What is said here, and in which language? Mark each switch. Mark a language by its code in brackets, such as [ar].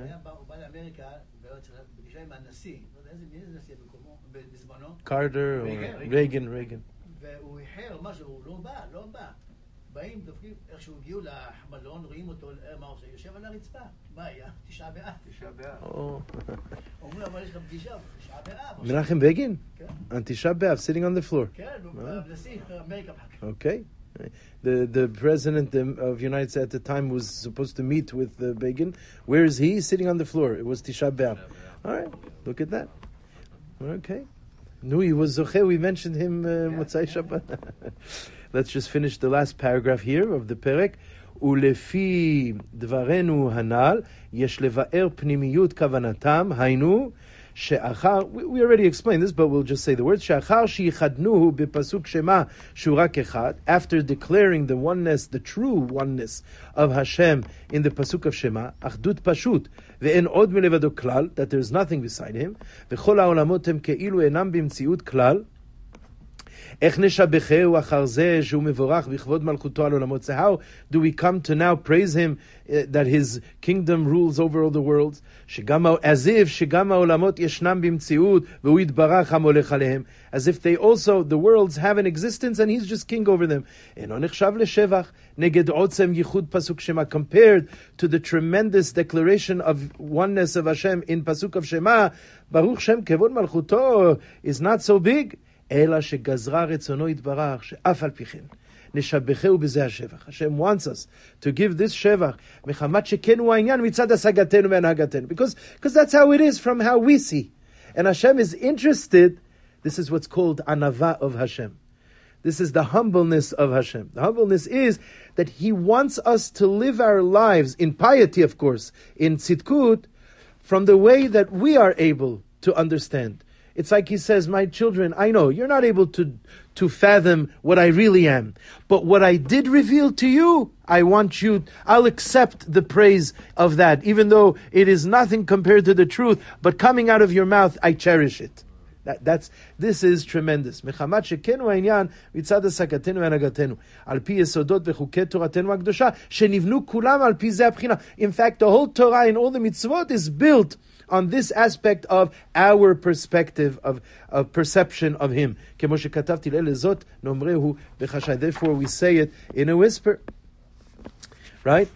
[he] הוא בא לאמריקה, בגישה עם הנשיא, לא יודע איזה מי זה נשיא בקומו, בזמנו. קארדר או רייגן, רייגן. והוא איחר משהו, הוא לא בא, לא בא. באים, דופקים, איך שהוא הגיעו למלון, רואים אותו, מה הוא עושה? יושב על הרצפה. מה היה? תשעה באב. תשעה באב. אומרים, אבל יש לך פגישה, תשעה באב. מנחם בגין? כן. [en] תשעה באב, sitting on the floor. [he] כן, נשיא, אמריקה פחק. אוקיי. [en] The president of United States at the time was supposed to meet with Begin. Where is he? Sitting on the floor. It was Tisha B'Av. All right. Look at that. Okay. No, he was Zoche. We mentioned him Motzai Shabbat. Let's just finish the last paragraph here of the Perek. [he] ולפי דברנו הנ"ל, יש לבאר פנימיות כוונתם, היינו, שאחר, [en] we already explained this, but we'll just say the words, [he] שאחר שיחדנוהו בפסוק שמה, שהוא רק אחד, [en] after declaring the oneness, the true oneness of Hashem in the פסוק of שמה, [he] אחדות פשוט, ואין עוד מלבדו כלל, [en] that there's nothing beside him, [he] וכל העולמות הם כאילו אינם במציאות כלל, איך נשבחהו אחר זה שהוא מבורך בכבוד מלכותו על עולמות? [en] So how do we come to now praise him that his kingdom rules over all the worlds? [he] שגם, [en] as if [he] שגם העולמות ישנם במציאות והוא יתברך המולך עליהם. [en] As if they also, the worlds have an existence and he's just king over them. [he] אינו נחשב לשבח נגד עוצם ייחוד פסוק שמה. [en] Compared to the tremendous declaration of oneness of Hashem in פסוק of שמה, [he] ברוך שם כבוד מלכותו [en] is not so big. [he] אלא שגזרה רצונו יתברך, שאף על פי כן, נשבחהו בזה השבח. [en] Hashem wants us to give this [he] שבח, מחמת שכן הוא העניין מצד השגתנו והנהגתנו. [en] Because that's how it is from how we see. And Hashem is interested, this is what's called ענווה of Hashem. This is the humbleness of Hashem. The humbleness is that He wants us to live our lives, in piety of course, in tzidkut, from the way that we are able to understand. It's like he says, my children, I know, you're not able to fathom what I really am. But what I did reveal to you, I want you, I'll accept the praise of that. Even though it is nothing compared to the truth, but coming out of your mouth, I cherish it. This is tremendous. [he] מחמת שכן הוא העניין מצד השגתנו והנהגתנו. על פי יסודות וחוקי תורתנו הקדושה, שנבנו כולם על פי זה הבחינה. [en] In fact, the whole Torah and all the mitzvot is built on this aspect of our perspective, of perception of Him. [he] כמו שכתבתי לזאת, נאמרהו בחשאי. [en] Therefore, we say it in a whisper. Right?